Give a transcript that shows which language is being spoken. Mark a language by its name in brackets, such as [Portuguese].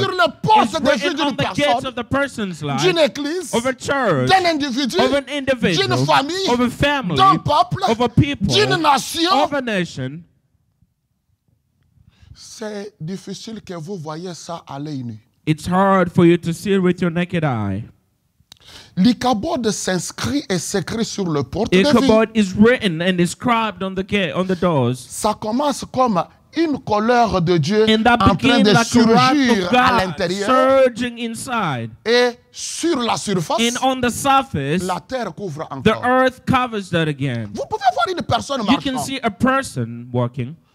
[French] sur les portes de vie d'une personne, [English] gates of the person's life, [French] d'une église, [English] of a church, [French] d'un individu, [English] of an individual, [French] d'une femme, [English] of a family, [French] d'un peuple, [English] of a people, [French] d'une nation, [English] of a nation, [French] c'est difficile que vous voyez ça à l'œil nu. [English] It's hard for you to see it with your naked eye. [French] L'Ichabod s'inscrit et s'écrit sur le porte. [English] Ichabod is written and inscribed on the gate, on the doors. [French] Ça commence comme une colère de Dieu en train de [English] like [French] surgir [English] God, [French] à l'intérieur. [English] Surging inside. [French] Et sur la surface, [English] and on the surface, [French] la terre couvre encore. [English] The earth covers that again. [French] Vous pouvez voir une personne marchant. [English] You can see a person walking.